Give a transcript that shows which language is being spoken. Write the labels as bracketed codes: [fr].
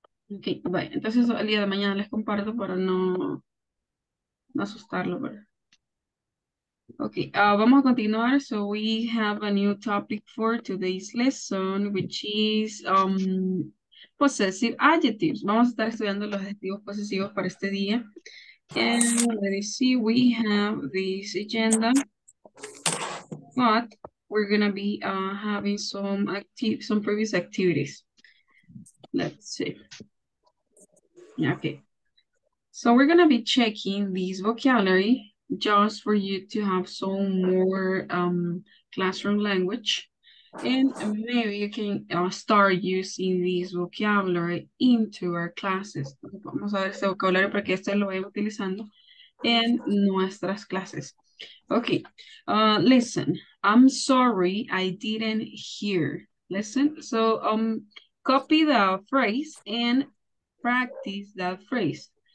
[es] Ok, vaya, entonces el día de mañana les comparto para no asustarlo, ¿verdad? Ok, vamos a continuar. [en] So we have a new topic for today's lesson, which is possessive adjectives. [es] Vamos a estar estudiando los adjetivos posesivos para este día. [en] And let me see, we have this agenda, but we're going to be having some previous activities. Let's see. Okay. So we're going to be checking this vocabulary just for you to have some more classroom language. And maybe you can start using this vocabulary into our classes. [es] Vamos a ver este vocabulario para que este lo vaya utilizando en nuestras clases. [en] Okay, listen, I'm sorry I didn't hear. Listen, so copy the phrase and practice that phrase.